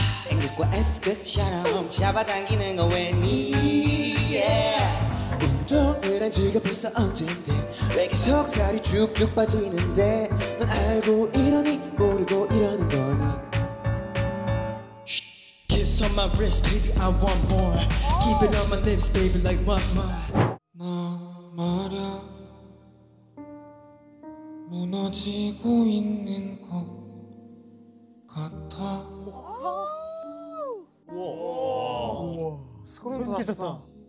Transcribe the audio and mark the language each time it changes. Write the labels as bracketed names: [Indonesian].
[Korean] N극과 S극처럼 잡아당기는 거 왜니. [English] Yeah. [Korean] 운동을 한 지가 벌써 언젠데 왜 계속 살이 쭉쭉 빠지는데. 넌 알고 이러니 모르고 이러는 거니. [English] Kiss on my wrist baby I want more. Keep it on my lips baby like one more. [Korean] 너 말야 무너지고 있는 것 같아. 우와, 우와. 소름 돋았어.